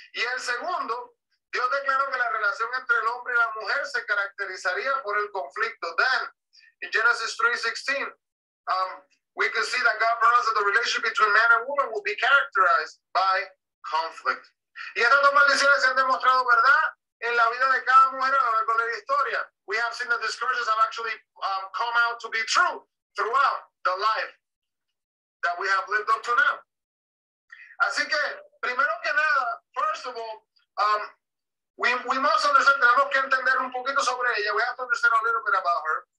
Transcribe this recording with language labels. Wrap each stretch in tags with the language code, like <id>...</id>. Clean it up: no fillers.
<es>Y el segundo, Dios declaró que la relación entre el hombre y la mujer se caracterizaría por el conflicto.</es> <en>Then, in Genesis 3:16, we can see that God pronounced that the relationship between man and woman will be characterized by conflict.</en> <es>Y estas dos maldiciones se han demostrado verdad en la vida de cada mujer a lo largo de la historia.</es> <en>We have seen that these curses have actually come out to be true throughout the life that we have lived up to now.</en> <es>Así que, primero que nada,</es> <en>first of all, we must understand,</en> <es>tenemos que entender un poquito sobre ella.</es> <en>We have to understand a little bit about her.</en>